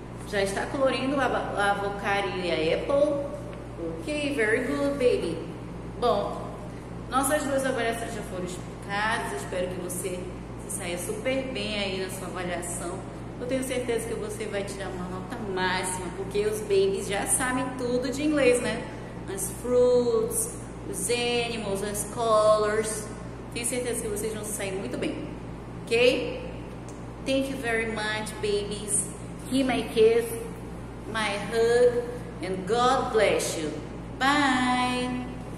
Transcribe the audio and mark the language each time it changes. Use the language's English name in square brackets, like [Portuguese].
[Portuguese] Já está colorindo a avocado e a apple? [English] Ok, very good, baby. [Portuguese] Bom, nossas duas avaliações já foram explicadas. Espero que você se saia super bem aí na sua avaliação. Eu tenho certeza que você vai tirar uma nota máxima, porque os babies já sabem tudo de inglês, né? As fruits, os animals, as colors. Tenho certeza que vocês vão sair muito bem. Ok? [English] Thank you very much, babies. Give my kiss, my hug, and God bless you. Bye!